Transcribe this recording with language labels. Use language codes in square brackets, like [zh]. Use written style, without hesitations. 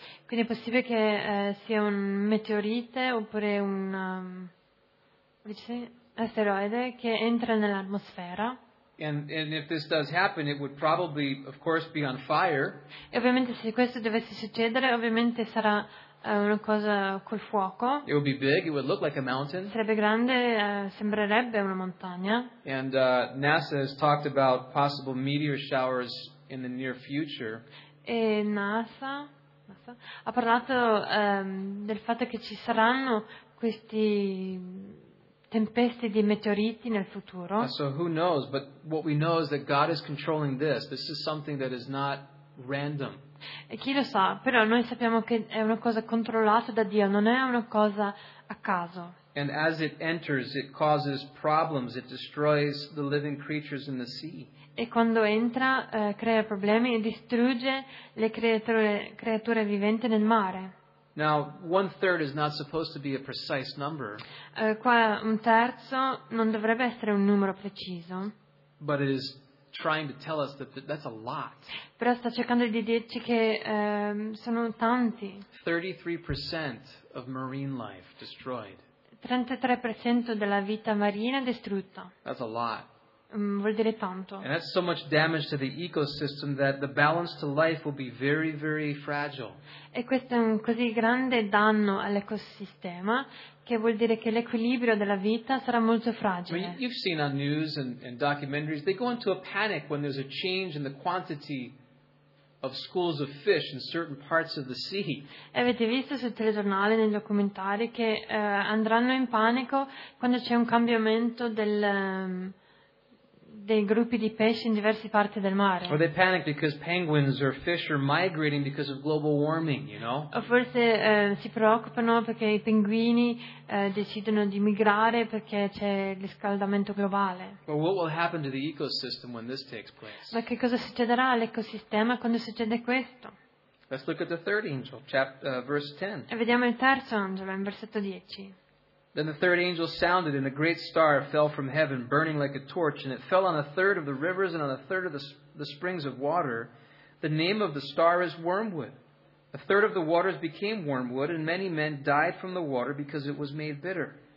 [it] Quindi è possibile che sia un meteorite oppure un asteroide che entra nell'atmosfera. [en] And if this does happen, it would probably, of course, be on fire. [it] E ovviamente se questo dovesse succedere, ovviamente sarà una cosa col fuoco. [en] It would be big. It would look like a mountain. [it] Sarebbe grande, sembrerebbe una montagna. [en] And NASA has talked about possible meteor showers in the near future. [it] E NASA ha parlato del fatto che ci saranno questi tempeste di meteoriti nel futuro. [en] So who knows, but what we know is that God is controlling this. This is something that is not random. [it] E chi lo sa, però noi sappiamo che è una cosa controllata da Dio, non è una cosa a caso. [en] And as it enters, it causes problems, it destroys the living creatures in the sea. [it] E quando entra crea problemi e distrugge le creature viventi nel mare. [en] Now, one third is not supposed to be a precise number. [it] Qua un terzo non dovrebbe essere un numero preciso. [en] But it is trying to tell us that's a lot. [it] Però sta cercando di dirci che sono tanti. [en] 33% of marine life destroyed. [it] 33% della vita marina distrutta. [en] That's a lot. [it] Vuol dire tanto. [en] And that's so much damage to the ecosystem that the balance to life will be very, very fragile. [it] E questo è un così grande danno all'ecosistema che vuol dire che l'equilibrio della vita sarà molto fragile. [en] You've seen on news and documentaries, they go into a panic when there's a change in the quantity of schools of fish in certain parts of the sea. [it] Avete visto sul telegiornale, nei documentari, che andranno in panico quando c'è un cambiamento del dei gruppi di pesci in diverse parti del mare. [en] Or they panic because penguins or fish are migrating because of global warming, you know? [it] O forse si preoccupano perché i pinguini decidono di migrare perché c'è riscaldamento globale. [en] But what will happen to the ecosystem when this takes place? [it] Ma che cosa succederà all'ecosistema quando succede questo? [en] Let's look at the third angel, verse 10. [it] E vediamo il terzo angelo in versetto 10. [en] Then the third angel sounded, and a great star fell from heaven, burning like a torch, and it fell on a third of the rivers and on a third of the springs of water. The name of the star is Wormwood. A third of the waters became wormwood, and many men died from the water because it was made bitter.